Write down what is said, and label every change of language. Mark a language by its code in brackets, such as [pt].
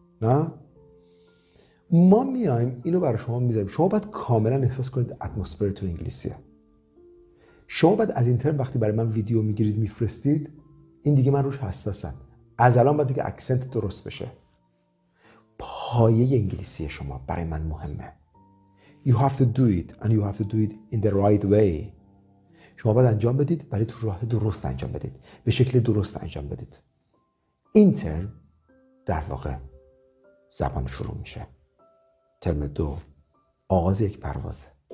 [fa] نه ما میایم اینو برای شما میذاریم، شما باید کاملا احساس کنید اتمسفرتون انگلیسیه. شما باید از این ترم وقتی برای من ویدیو میگیرید میفرستید، این دیگه من روش حساسم، از الان باید دیگه اکسنت درست بشه. پایه انگلیسی شما برای من مهمه. [en] You have to do it and you have to do it in the right way. [fa] شما باید انجام بدید، برای تو راه درست انجام بدید، به شکل درست انجام بدید. این ترم در واقع زبان شروع میشه، ترم دو آغاز یک پروازه.